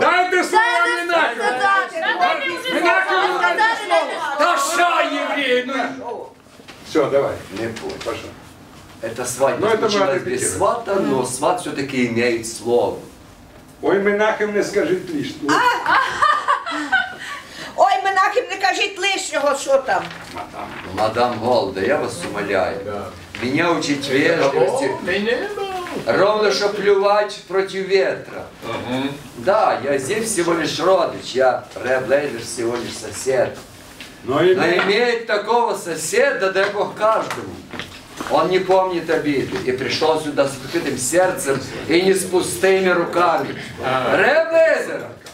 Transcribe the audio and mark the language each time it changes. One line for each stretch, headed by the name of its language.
Russian: Дай это слово Менахему! Менахему дай это слово! Да ша, евреи! Все, давай. Не будет. Пошел. Это свадьба случилась без свата, но сват все-таки имеет слово. Ой, Менахем, не скажи лишнего.
Ukrainian: Ой, Менахем, не кажіть лишнього, що там.
Russian: Мадам. Мадам Голде, я вас умоляю.
Ukrainian: Мене учить вежливості. Ровно, що плювати проти вітру.
Russian: Да, я здесь всего лишь родич, я реблейдер всего лишь сосед. Но иметь такого соседа, дай Бог каждому. Он не помнит обиды и пришел сюда с открытым сердцем и не с пустыми руками. Реблейдер!